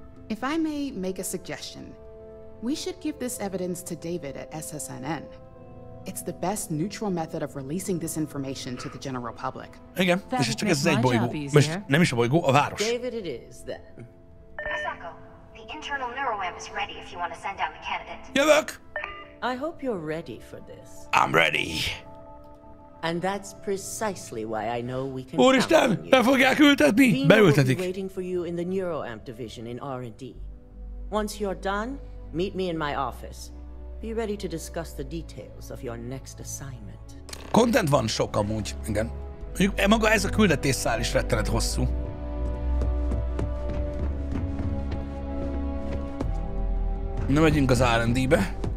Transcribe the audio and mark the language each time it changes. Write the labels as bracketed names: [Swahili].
[English] If I may make a suggestion, we should give this evidence to David at SSNN. It's the best neutral method of releasing this information to the general public. [Hungarian] Igen, és ez csak ez egy bolygó. Most nem is a bolygó, a város. [English] David it is, then. Masako, the internal neuroamp is ready if you want to send out the candidate. [Hungarian] Jövök! [English] I hope you're ready for this. I'm ready. And that's precisely why I know we can [Hungarian] Úristen, be fogják ültetni! Beültetik! [English] Waiting for you in the neuroamp division in R&D. Once you're done, meet me in my office. Be ready to discuss the details of your next assignment. [Hungarian] Content van sok amúgy, igen. Mondjuk maga ez a küldetésszál is rettenet hosszú. Na, megyünk az R&D-be.